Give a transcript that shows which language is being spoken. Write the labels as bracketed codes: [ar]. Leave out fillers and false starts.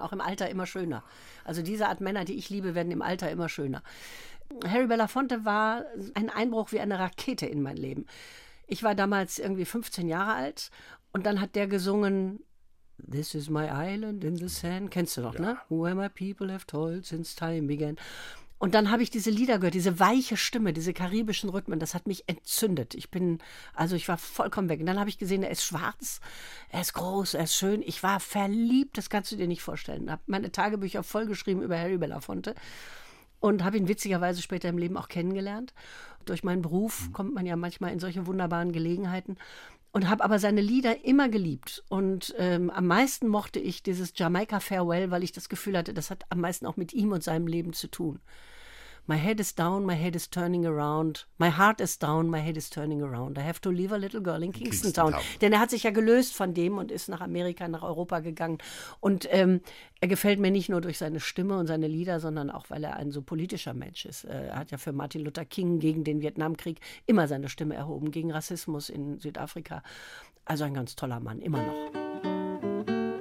[de] Auch im Alter immer schöner. Also diese Art Männer, die ich liebe, werden im Alter immer schöner. Harry Belafonte war ein Einbruch wie eine Rakete in mein Leben. Ich war damals irgendwie 15 Jahre alt und dann hat der gesungen, [en] This is my island in the sand. [de] Kennst du noch, ja, ne? [en] Where my people have toiled since time began. [de] Und dann habe ich diese Lieder gehört, diese weiche Stimme, diese karibischen Rhythmen, das hat mich entzündet. Ich war vollkommen weg. Und dann habe ich gesehen, er ist schwarz, er ist groß, er ist schön. Ich war verliebt, das kannst du dir nicht vorstellen. Ich habe meine Tagebücher vollgeschrieben über Harry Belafonte und habe ihn witzigerweise später im Leben auch kennengelernt. Durch meinen Beruf kommt man ja manchmal in solche wunderbaren Gelegenheiten. Und habe aber seine Lieder immer geliebt. Und am meisten mochte ich dieses Jamaica Farewell, weil ich das Gefühl hatte, das hat am meisten auch mit ihm und seinem Leben zu tun. [en] My head is down, my head is turning around. My heart is down, my head is turning around. I have to leave a little girl in Kingston Town. [de] Denn er hat sich ja gelöst von dem und ist nach Amerika, nach Europa gegangen. Und er gefällt mir nicht nur durch seine Stimme und seine Lieder, sondern auch, weil er ein so politischer Mensch ist. Er hat ja für Martin Luther King gegen den Vietnamkrieg immer seine Stimme erhoben, gegen Rassismus in Südafrika. Also ein ganz toller Mann, immer noch.